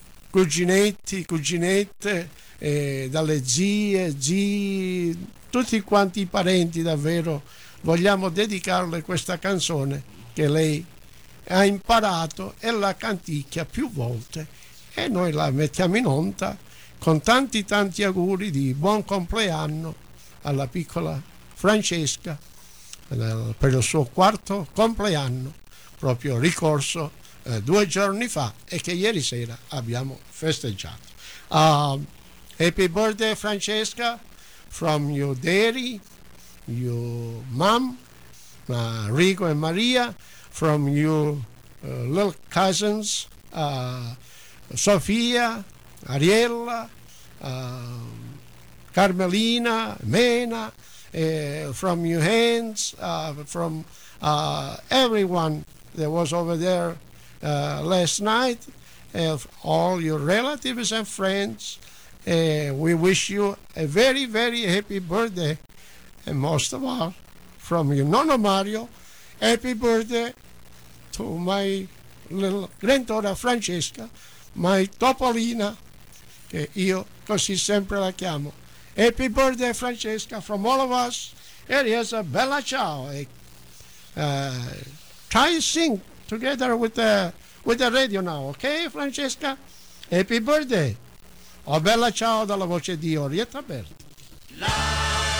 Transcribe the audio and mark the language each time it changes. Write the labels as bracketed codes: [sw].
[it] cuginetti, cuginette, dalle zii, tutti quanti i parenti, davvero vogliamo dedicarle questa canzone che lei ha imparato e la canticchia più volte, e noi la mettiamo in onda con tanti tanti auguri di buon compleanno alla piccola Francesca per il suo quarto compleanno, proprio ricorso due giorni fa e che ieri sera abbiamo festeggiato. [en] Happy birthday Francesca, from your daddy, your mom, Rico and Maria, from your little cousins, Sofia, Ariella, Carmelina, Mena, from your hands, from everyone that was over there last night, of all your relatives and friends. We wish you a very, very happy birthday. And most of all, from your Nonno Mario, happy birthday to my little granddaughter Francesca, my Topolina, [it] che io così sempre la chiamo. [en] Happy birthday, Francesca, from all of us. Here is a bella ciao. Try to sing together with the radio now, okay, Francesca? Happy birthday. [it] Oh, bella ciao dalla voce di Orietta Berti.